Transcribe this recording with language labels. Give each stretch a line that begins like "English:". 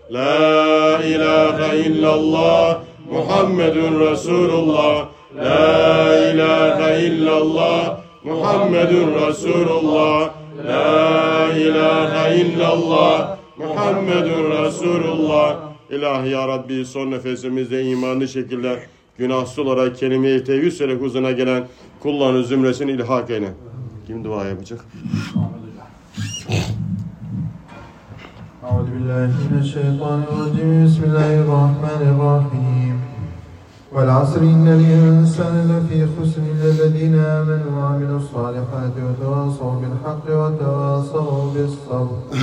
Arabic: لا إله إلا الله محمد رسول الله. لا إله إلا الله محمد رسول الله. لا إله إلا الله محمد رسول الله. إله يا ربي
Turkish: son nefesimizde imanlı şekilde günahsız olarak kelime-i tevhid söyleyerek huzuruna gelen kulların zümresini ilhak eyle. Kim dua yapacak?
Arabic: أعوذ بالله من الشيطان الرجيم. بسم الله الرحمن الرحيم. والعصر إن الإنسان لفي خسر إلا الذين آمنوا وعملوا الصالحات وتواصوا بالحق وتواصوا بالصبر.